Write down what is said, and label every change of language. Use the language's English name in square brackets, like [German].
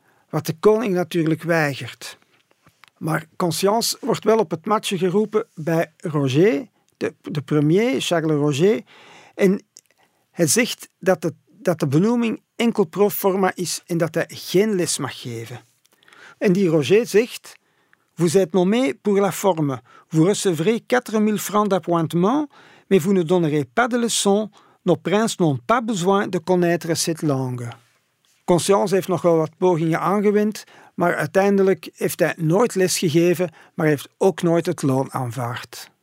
[Dutch] Wat de koning natuurlijk weigert. Maar Conscience wordt wel op het matje geroepen bij Roger, de premier, Charles Roger. En hij zegt dat de benoeming enkel pro forma is en dat hij geen les mag geven. En die Roger zegt: [French] Vous êtes nommé pour la forme. Vous recevrez 4000 francs d'appointement, mais vous ne donnerez pas de leçons. Nos princes n'ont pas besoin de connaître cette langue. [Dutch] Conscience heeft nog wel wat pogingen aangewend, maar uiteindelijk heeft hij nooit les gegeven, maar heeft ook nooit het loon aanvaard.